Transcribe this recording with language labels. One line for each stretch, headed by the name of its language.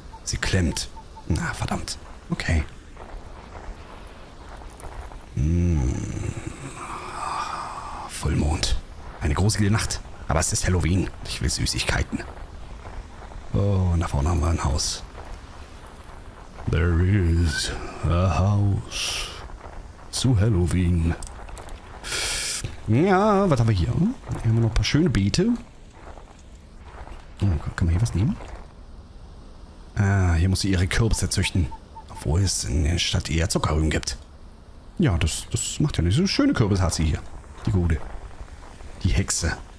German: Sie klemmt. Na, verdammt. Okay. Vollmond. Eine gruselige Nacht. Aber es ist Halloween. Ich will Süßigkeiten. Oh, und da vorne haben wir ein Haus.
English: There is a house
German: zu Halloween. Ja, was haben wir hier? Hier haben wir noch ein paar schöne Beete. Oh, kann man hier was nehmen? Ah, hier muss sie ihre Kürbisse züchten. Obwohl es in der Stadt eher Zuckerrüben gibt. Ja, das macht ja nicht so schöne Kürbisse hat sie hier. Die gute. Die Hexe.